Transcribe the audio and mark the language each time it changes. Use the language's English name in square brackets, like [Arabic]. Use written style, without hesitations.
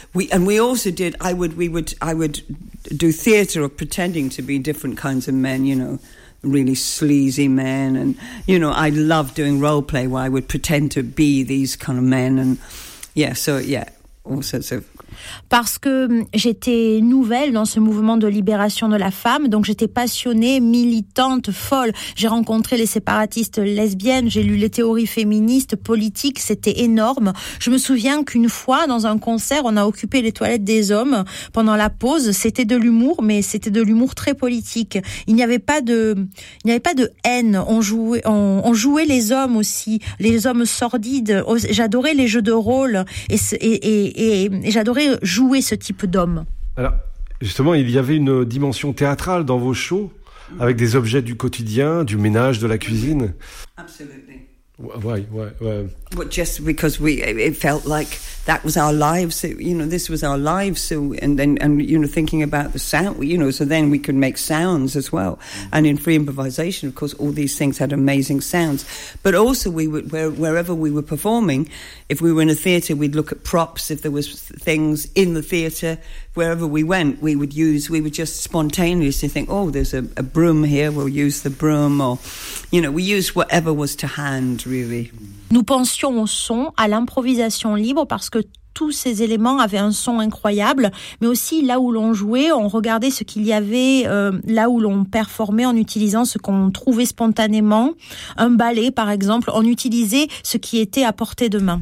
[English] I would do theatre of pretending to be different kinds of men, you know. Really sleazy men, and you know, I love doing role play where I would pretend to be these kind of men, and yeah, so yeah, all sorts of. [French] Parce que j'étais nouvelle dans ce mouvement de libération de la femme, donc j'étais passionnée, militante, folle. J'ai rencontré les séparatistes lesbiennes, j'ai lu les théories féministes, politiques, c'était énorme. Je me souviens qu'une fois, dans un concert, on a occupé les toilettes des hommes pendant la pause. C'était de l'humour, mais c'était de l'humour très politique. Il n'y avait pas de haine. On jouait les hommes aussi, les hommes sordides. J'adorais les jeux de rôle et j'adorais jouer ce type d'homme. Alors, justement, il y avait une dimension théâtrale dans vos shows, avec des objets du quotidien, du ménage, de la cuisine. [English] Absolutely. [French] Ouais. [English] But just because it felt like that was our lives, you know, this was our lives, so, and you know, thinking about the sound, you know, so then we could make sounds as well. And in free improvisation, of course, all these things had amazing sounds. But also, wherever we were performing, if we were in a theatre, we'd look at props, if there was things in the theatre, wherever we went, we would just spontaneously think, oh, there's a broom here, we'll use the broom, or, you know, we used whatever was to hand, really. [French] Nous pensions au son, à l'improvisation libre, parce que tous ces éléments avaient un son incroyable, mais aussi là où l'on jouait, on regardait ce qu'il y avait, là où l'on performait en utilisant ce qu'on trouvait spontanément. Un ballet, par exemple, on utilisait ce qui était à portée de main.